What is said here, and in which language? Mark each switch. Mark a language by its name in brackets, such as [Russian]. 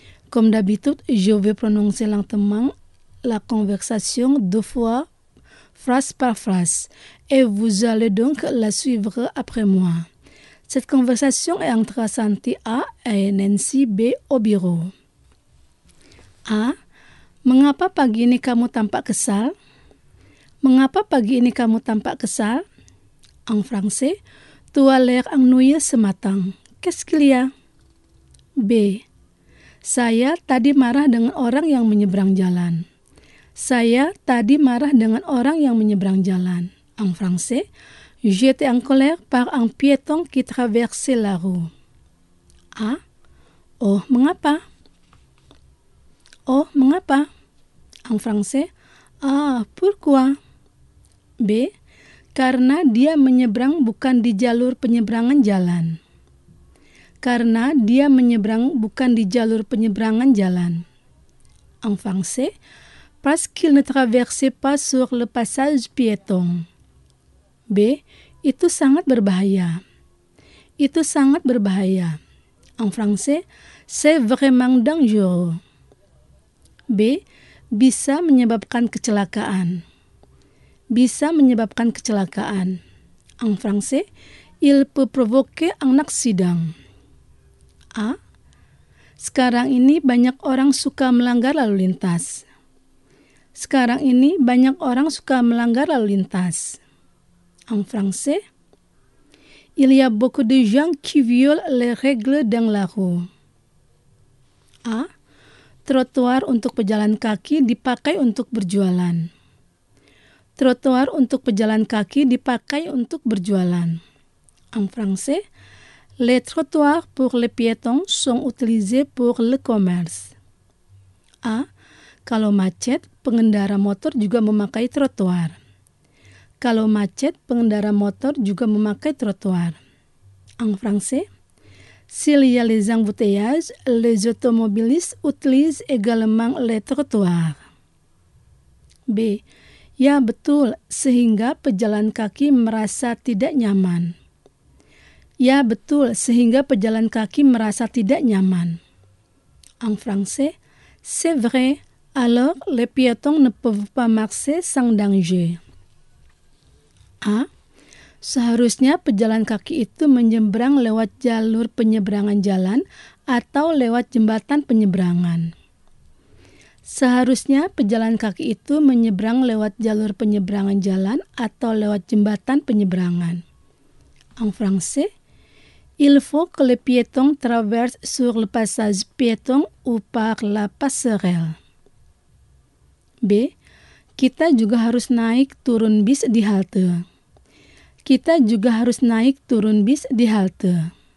[French] Comme d'habitude, je vais prononcer lentement la conversation deux fois, phrase par phrase, et vous allez donc la suivre après moi. Cette conversation est entre Santi A et Nancy B au bureau. A. [Indonesian] Mengapa pagi ini kamu tampak kesal? Mengapa pagi ini kamu tampak kesal? [French] En français, tu as l'air ennuyé ce matin. Qu'est-ce qu'il y a? [Indonesian] B. Saya tadi marah dengan orang yang menyeberang jalan. Saya tadi marah dengan orang yang menyeberang jalan. [French] En français, j'étais en colère par un piéton qui traversait la rue. A. [Indonesian] Oh, mengapa? Oh, mengapa? [French] En français, ah, pourquoi? B. [Indonesian] Karena dia menyeberang bukan di jalur penyeberangan jalan. Karena dia menyeberang bukan di jalur penyeberangan jalan. [French] En français, parce qu'il ne traversait pas sur le passage piéton. B. [Indonesian] Itu sangat berbahaya. Itu sangat berbahaya. [French] En français, c'est vraiment dangereux. B. [Indonesian] Bisa menyebabkan kecelakaan. Bisa menyebabkan kecelakaan. [French] En français, il peut provoquer un accident. A. [Indonesian] Sekarang ini banyak orang suka melanggar lalu lintas. Sekarang ini banyak orang suka melanggar lalu lintas. [French] En français, il y a beaucoup de gens qui violent les règles dans la rue. A. [Indonesian] Trotoar untuk pejalan kaki dipakai untuk berjualan. Trotoar untuk pejalan kaki dipakai untuk berjualan. [French] En français, les trottoirs pour les piétons sont utilisés pour le commerce. A. [Indonesian] Kalau macet, pengendara motor juga memakai trotoar. Kalau macet, pengendara motor juga memakai trotoar. [French] En français, s'il y a les embouteillages, les automobilistes utilisent également les trottoirs. [Indonesian] B. Ya, betul, sehingga pejalan kaki merasa tidak nyaman. Ya, betul, sehingga pejalan kaki merasa tidak nyaman. [French] En français, c'est vrai, alors les piétons ne peuvent pas marcher sans danger. A. [Indonesian] Seharusnya pejalan kaki itu menyeberang lewat jalur penyeberangan jalan atau lewat jembatan penyeberangan. Seharusnya pejalan kaki itu menyeberang lewat jalur penyeberangan jalan atau lewat jembatan penyeberangan. [French] En français, il faut que les piétons traversent sur le passage piéton ou par la passerelle. B. [Indonesian] Kita juga harus naik turun bis di halte. Kita juga harus naik turun bis di halte.